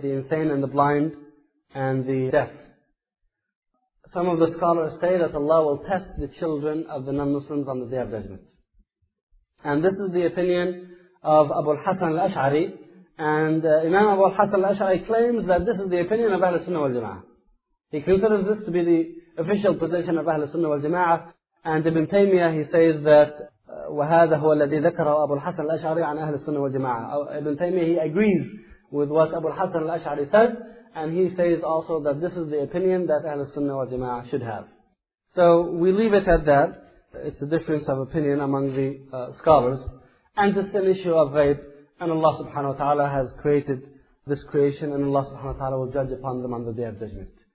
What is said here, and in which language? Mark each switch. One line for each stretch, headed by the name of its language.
English: The insane and the blind and the deaf. Some of the scholars say that Allah will test the children of the non-Muslims on the day of judgment. And this is the opinion of Abu al-Hasan al-Ash'ari. And Imam Abu al-Hasan al-Ash'ari claims that this is the opinion of Ahlul Sunnah wal-Jama'ah. He considers this to be the official position of Ahlul Sunnah wal-Jama'ah. And Ibn Taymiyyah, he says that
Arabic: وَهَذَا هُوَ الَّذِي ذَكَرَهُ أَبُو الْحَسَنِ الْأَشْعَرِي عَنْ أَهْلِ السُّنَّةِ وَالْجَمَاعَةِ.
English: Ibn Taymiyyah, he agrees with what Abu al-Hasan al-Ash'ari said, and he says also that this is the opinion that Ahl al-Sunnah wal-Jama'ah should have. So we leave it at that. It's a difference of opinion among the scholars, and it's an issue of ghayb, and Allah subhanahu wa ta'ala has created this creation, and Allah subhanahu wa ta'ala will judge upon them on the day of judgment.